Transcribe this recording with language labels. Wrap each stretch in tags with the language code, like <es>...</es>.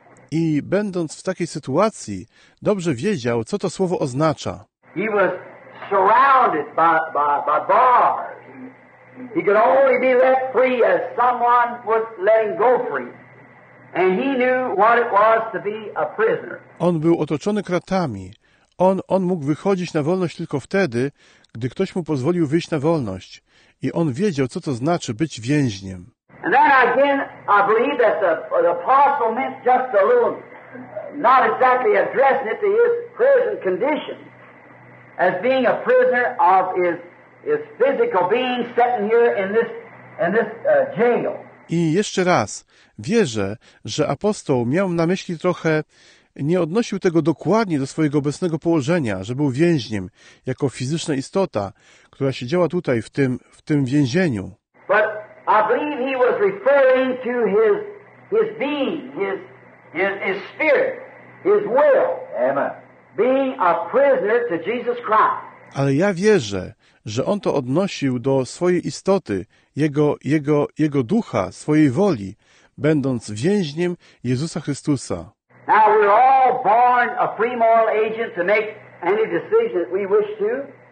<pl>I będąc w takiej sytuacji, dobrze wiedział, co to słowo oznacza.</pl> <en>He was surrounded by bars. He could only be let free as someone was letting go free. And he knew what it was to be a prisoner.</en> <pl>On był otoczony kratami. On mógł wychodzić na wolność tylko wtedy, gdy ktoś mu pozwolił wyjść na wolność. I on wiedział, co to znaczy być więźniem.</pl> <en>And then again, I believe that the apostle meant just a little, not exactly addressing it to his prison condition, as being a prisoner of his physical being sitting here in this jail.</en> <pl>I jeszcze raz, wierzę, że apostoł miał na myśli trochę, nie odnosił tego dokładnie do swojego obecnego położenia, że był więźniem, jako fizyczna istota, która siedziała tutaj w tym więzieniu.</pl> <en>But I believe he was referring to his being, his spirit, his will, amen, being a prisoner to Jesus Christ.</en> <pl>Ale ja wierzę, że on to odnosił do swojej istoty, jego ducha, swojej woli, będąc więźniem Jezusa Chrystusa.</pl> <en>Now we're all born a free moral agent to make any decision that we wish to.</en>